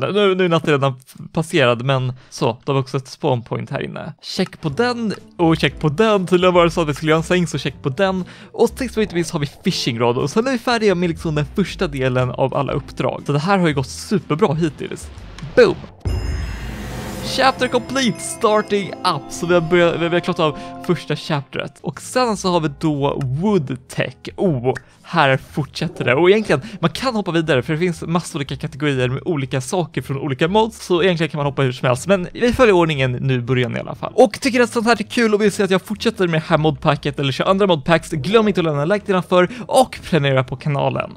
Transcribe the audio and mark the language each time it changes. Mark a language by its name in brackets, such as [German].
[Swedish] Nu är natten redan passerad. Men så, då har vi också ett spawn point här inne. Check på den. Och check på den. Tydligen var det så att vi skulle göra en säng, så check på den. Och sist men inte minst har vi fishing rod. Och sen är vi färdiga med liksom den första delen av alla uppdrag. Så det här har ju gått superbra hittills. Boom! [English] Chapter complete, starting up. [Swedish] Så vi har klart av första chapteret. Och sen så har vi då wood tech. Oh, här fortsätter det. Och egentligen, man kan hoppa vidare, för det finns massor olika kategorier med olika saker från olika mods. Så egentligen kan man hoppa hur som helst. Men vi följer ordningen nu i början i alla fall. Och tycker att sånt här är kul och vill se att jag fortsätter med det här modpacket eller kör andra modpacks, glöm inte att lämna en like nedanför och prenumerera på kanalen.